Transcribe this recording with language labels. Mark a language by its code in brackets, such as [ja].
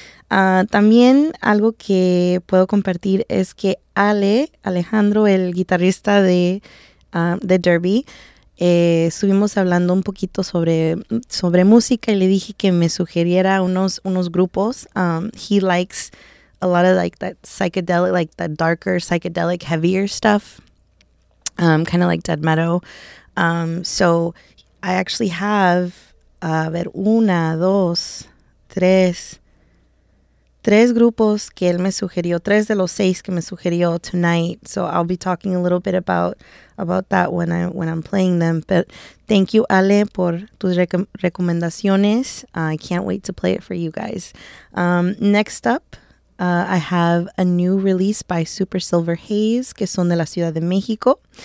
[es] También algo que puedo compartir es que Alejandro, el guitarrista de Derby, estuvimos hablando un poquito sobre música y le dije que me sugiriera unos grupos. [en] He likes a lot of like that psychedelic, like the darker psychedelic heavier stuff, kind of like Dead Meadow. So I actually have [es] a ver una, dos, tres grupos que él me sugirió, tres de los seis que me sugirió tonight. [en] So I'll be talking a little bit about that when I'm playing them. But thank you, Ale, [es] por tus recomendaciones. [en] I can't wait to play it for you guys. Next up, I have a new release by Super Silver Haze, [es] que son de la Ciudad de México.